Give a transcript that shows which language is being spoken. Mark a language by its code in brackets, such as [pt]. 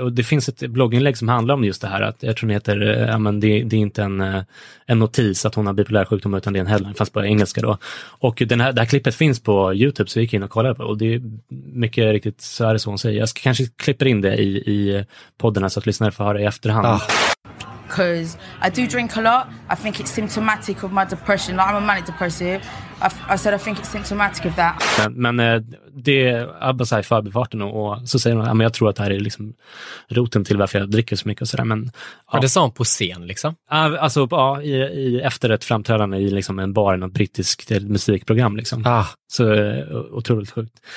[sv] Och det finns ett blogginlägg som handlar om just det här. Att jag tror det heter, det är inte en notis att hon har bipolär sjukdom, utan det är en headline, fast bara engelska då. Och det här klippet finns på YouTube, så vi gick in och kollade på det. Och det är mycket riktigt, så är det så hon säger. Jag ska kanske klippa in det i podden så att lyssnare får höra i efterhand. Ah. [en] Because I do drink a lot. I think it's symptomatic of my depression. Like, I'm a manic depressive. I said I think it's symptomatic of that. [sv] Men det är bara så här i förbifarten, och så säger hon, jag tror att det här är liksom roten till varför jag dricker så mycket och sådär. Ja. Det sa hon på scen liksom? Alltså ja, i efter ett framträdande i liksom en bar i något brittiskt musikprogram liksom. Ah. Så otroligt sjukt.